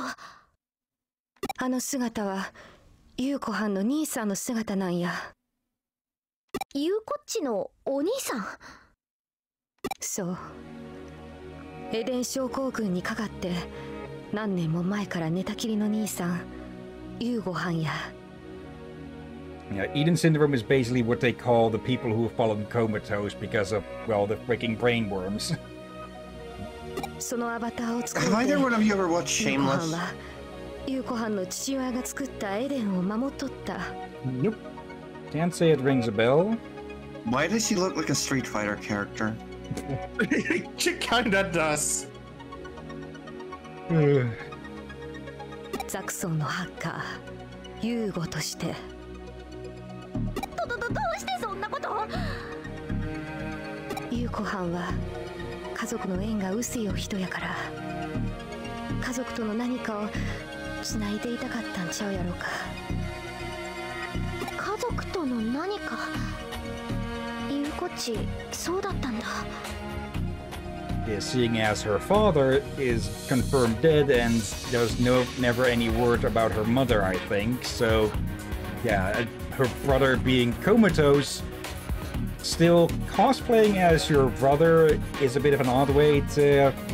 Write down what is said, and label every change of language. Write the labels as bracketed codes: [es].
[ja] あの姿は、ユーコハンの兄さんの姿なんや。ユーコッチのお兄さん？そう。エデン症候群にかかって、何年も前から寝たきりの兄さん、ユーゴハンや。 [en] Yeah, Eden syndrome is basically what they call the people who have fallen comatose because of, well, the freaking brain worms. Have either one of you ever watched Shameless? [ja] Yuko-han の父親が作ったエデンを守っとった。 [en] Nope. Can't say it rings a bell. Why does she look like a Street Fighter character? She kinda does. [ja] Zaxxon のハッカー、ユーゴとして。どうしてそんなこと？ユーコハンは家族の縁が薄いお人やから、家族との何かをつないでいたかったんちゃうやろか。家族との何か、ユーコッチそうだったんだ。 [en] Yeah, seeing as her father is confirmed dead and there's no never any word about her mother, I think, so yeah, her brother being comatose, still cosplaying as your brother is a bit of an odd way to